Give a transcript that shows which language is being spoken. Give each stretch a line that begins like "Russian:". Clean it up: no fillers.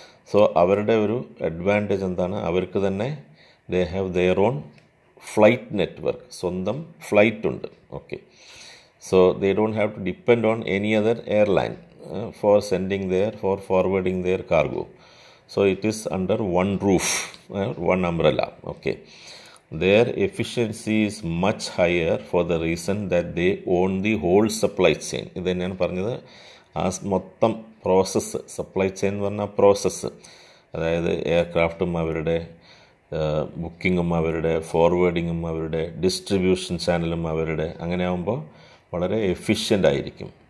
Malayalam: So അവരുടെ ഒരു advantage എന്താണ്? അവർക്ക് തന്നെ
English: they have their own flight network,
Malayalam: സ്വന്തം ഫ്ലൈറ്റ് ഉണ്ട്.
English: Okay, so they don't have to depend on any other airline for sending their, for forwarding their cargo. So it is under one roof, one umbrella. Okay, their efficiency is much higher for the reason that they own the whole supply chain.
Malayalam: ഇത് തന്നെയാണ് പറഞ്ഞത്. ആ മൊത്തം process, supply chain എന്ന് പറഞ്ഞാൽ process, അതായത് എയർക്രാഫ്റ്റും അവരുടെ ബുക്കിങ്ങും അവരുടെ ഫോർവേഡിങ്ങും അവരുടെ ഡിസ്ട്രിബ്യൂഷൻ ചാനലും അവരുടെ, അങ്ങനെ ആകുമ്പോൾ വളരെ എഫിഷ്യൻ്റ് ആയിരിക്കും.